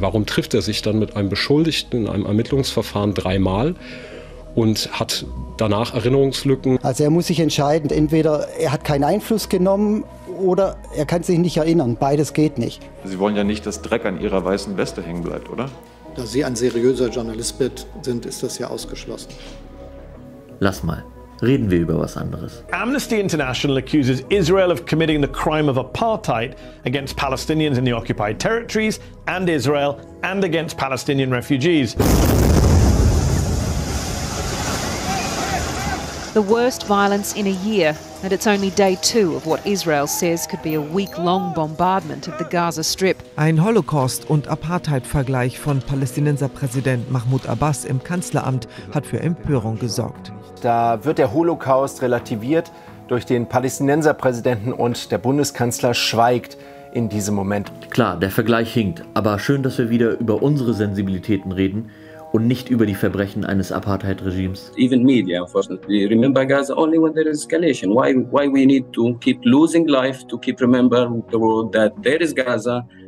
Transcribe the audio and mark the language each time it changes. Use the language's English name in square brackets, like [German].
[German] Warum trifft er sich dann mit einem Beschuldigten in einem Ermittlungsverfahren dreimal und hat danach Erinnerungslücken? Also er muss sich entscheiden, entweder er hat keinen Einfluss genommen oder er kann sich nicht erinnern. Beides geht nicht. Sie wollen ja nicht, dass Dreck an Ihrer weißen Weste hängen bleibt, oder? Da Sie ein seriöser Journalist sind, ist das ja ausgeschlossen. Lass mal. Reden wir über was anderes. [English] Amnesty International accuses Israel of committing the crime of apartheid against Palestinians in the occupied territories and Israel and against Palestinian refugees. The worst violence in a year, and it's only day two of what Israel says could be a week-long bombardment of the Gaza Strip. [German] Ein Holocaust- und Apartheid-Vergleich von Palästinenser-Präsident Mahmoud Abbas im Kanzleramt hat für Empörung gesorgt. Da wird der Holocaust relativiert durch den Palästinenser-Präsidenten und der Bundeskanzler schweigt in diesem Moment. Klar, der Vergleich hinkt, aber schön, dass wir wieder über unsere Sensibilitäten reden und nicht über die Verbrechen eines Apartheid-Regimes. [English] Even media, unfortunately, remember Gaza only when there is escalation. Why we need to keep losing life to keep remember the world that there is Gaza.